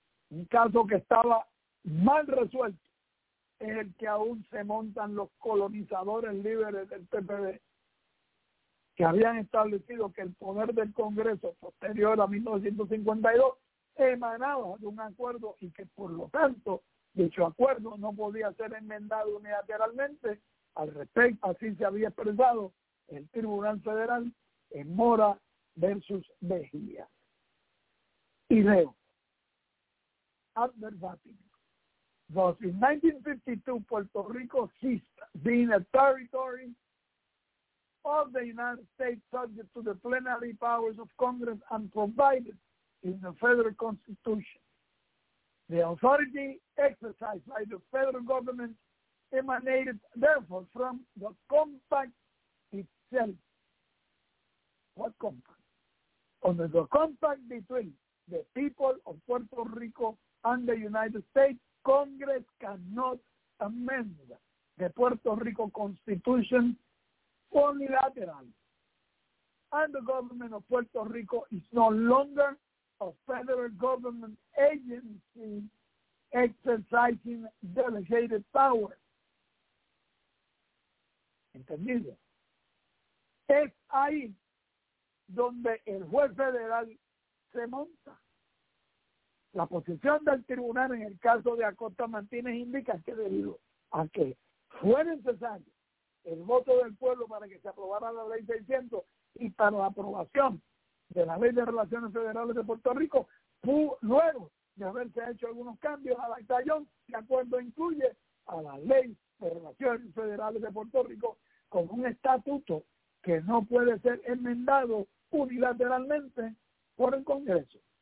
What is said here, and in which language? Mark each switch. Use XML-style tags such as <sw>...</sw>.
<es>Un caso que estaba mal resuelto es el que aún se montan los colonizadores líderes del PPD, que habían establecido que el poder del Congreso posterior a 1952 emanaba de un acuerdo y que, por lo tanto, dicho acuerdo no podía ser enmendado unilateralmente. Al respecto, así se había expresado el Tribunal Federal en Mora versus Mejía. Y leo,</es> <en>ad verbatim: thus, in 1952, Puerto Rico ceased being a territory of the United States subject to the plenary powers of Congress and provided in the federal constitution. The authority exercised by the federal government emanated therefore from the compact itself. What compact? Under the compact between the people of Puerto Rico and the United States, Congress cannot amend the Puerto Rico Constitution unilateral. And the government of Puerto Rico is no longer a federal government agency exercising delegated power.</en> <es>¿Entendido? Es ahí donde el juez federal se monta. La posición del tribunal en el caso de Acosta Martínez indica que debido a que fue necesario el voto del pueblo para que se aprobara la ley 600 y para la aprobación de la ley de relaciones federales de Puerto Rico, luego de haberse hecho algunos cambios al batallón, de acuerdo incluye a la ley de relaciones federales de Puerto Rico con un estatuto que no puede ser enmendado unilateralmente por el Congreso.</es>